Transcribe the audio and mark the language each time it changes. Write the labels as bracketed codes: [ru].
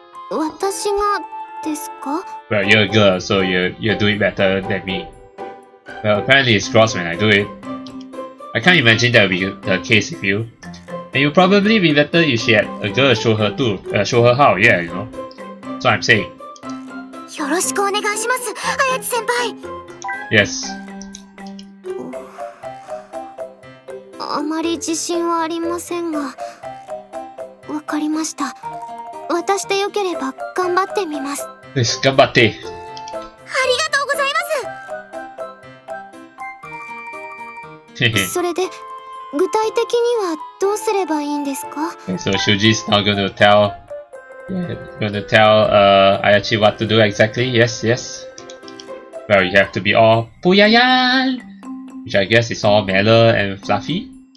[ja] 私がですか? [en] Well, you're a girl, so you're doing better than me. Well, apparently it's gross when I do it. I can't imagine that would be the case with you. And you'd probably be better if she had a girl show her too, show her how, yeah, you know. So I'm saying. [ja] よろしくお願いします、あやち先輩。 [en] Yes. [ja] あまり自信はありませんが、わかりました。私でよければ頑張ってみます。です、頑張って。ありがとうございます。それで具体的にはどうすればいいんですか？ [en] So Shuuji is not going to tell. Gonna tell Ayachi what to do exactly, yes. Well, you have to be all Puyayan! Which I guess is all mellow and fluffy.